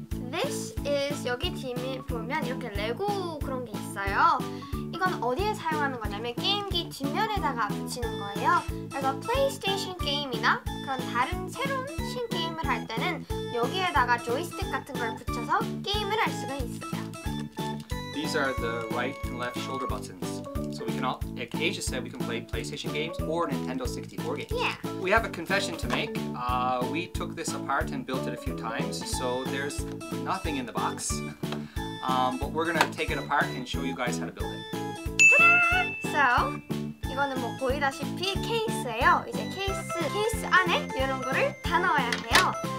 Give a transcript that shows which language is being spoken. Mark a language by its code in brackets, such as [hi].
[en] This is [ko] 여기 뒤에 보면 이렇게 레고 그런 게 있어요. 이건 어디에 사용하는 거냐면 게임기 뒷면에다가 붙이는 거예요. 그래서 플레이스테이션 게임이나 그런 다른 새로운 신 게임을 할 때는 여기에다가 조이스틱 같은 걸 붙여서 게임을 할 수가 있어요. [en] These are the right and left shoulder buttons. So we can all, like Asia said, we can play PlayStation games or Nintendo 64 games. Yeah. We have a confession to make. We took this apart and built it a few times, so there's nothing in the box. But we're gonna take it apart and show you guys how to build it. Ta-da! [ko] So, 이거는 뭐 보이다시피 케이스예요. 이제 케이스 안에 이런 거를 다 넣어야 해요.